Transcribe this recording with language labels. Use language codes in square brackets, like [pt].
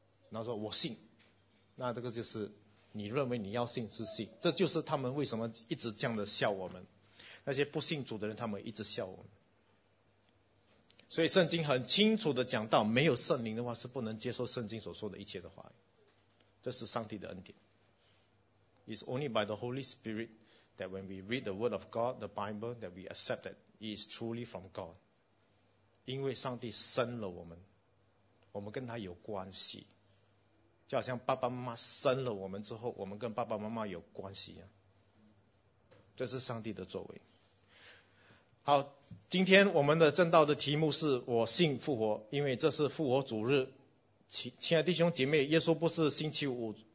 [zh] 然后说我信，那这个就是你认为你要信是信，这就是他们为什么一直这样的笑我们，那些不信主的人，他们一直笑我们。所以圣经很清楚的讲到，没有圣灵的话是不能接受圣经所说的一切的话语，这是上帝的恩典。 [en] It's only by the Holy Spirit that when we read the Word of God, the Bible, that we accept that it is truly from God. [zh] 因为上帝生了我们，我们跟他有关系，就好像爸爸妈妈生了我们之后，我们跟爸爸妈妈有关系啊。这是上帝的作为。好，今天我们的正道的题目是我信复活，因为这是复活主日。亲爱的弟兄姐妹，耶稣不是星期五